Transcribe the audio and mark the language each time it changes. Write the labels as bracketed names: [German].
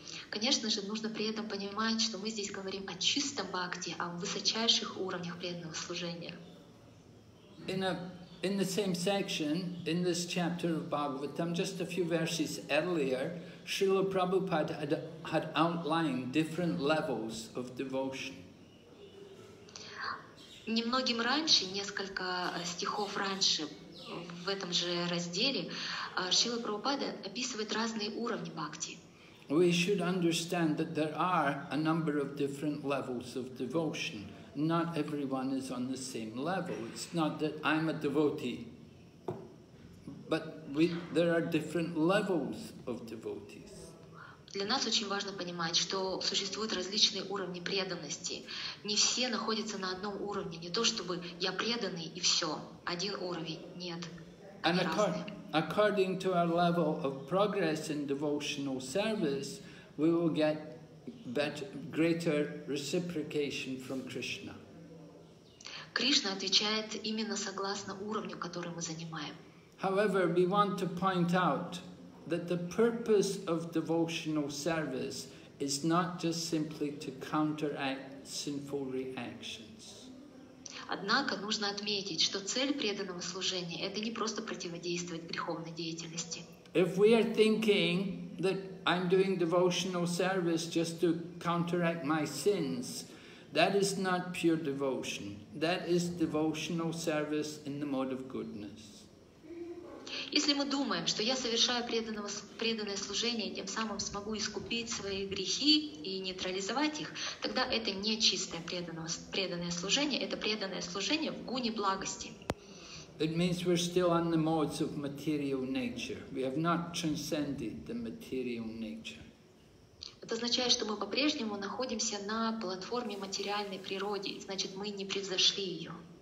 [Russian] Конечно же, нужно при этом понимать, что мы здесь говорим о чистом бхакти, о высочайших уровнях преданного служения. [English] In the same section, in this chapter of Bhagavatam, just a few verses earlier, Srila Prabhupada had outlined different levels of devotion. [Russian] Немногим раньше, несколько стихов раньше, в этом же разделе, Шрила Прабхупада описывает разные уровни бхакти. [English] We should understand that there are a number of different levels of devotion. Not everyone is on the same level. It's not that I'm a devotee, but there are different levels of devotees. [Russian] Для нас очень важно понимать, что существуют различные уровни преданности. Не все находятся на одном уровне. Не то чтобы я преданный и все. Один уровень. Нет. [English] And according to our level of progress in devotional service, we will get greater reciprocation from Krishna. [Russian] Кришна отвечает именно согласно уровню, который мы занимаем. [English] However, we want to point out that the purpose of devotional service is not just simply to counteract sinful reactions. [Russian] Однако нужно отметить, что цель преданного служения — это не просто противодействовать греховной деятельности. [English] If we are thinking that I'm doing devotional service just to counteract my sins, that is not pure devotion. That is devotional service in the mode of goodness. [Russian] Если мы думаем, что я совершаю преданное служение, тем самым смогу искупить свои грехи и нейтрализовать их, тогда это не чистое преданное служение, это преданное служение в гуне благости. [English] It means we're still on the modes of material nature. We have not transcended the material nature. [Russian] Это означает, что мы по-прежнему находимся на платформе материальной природы, значит, мы не превзошли ее.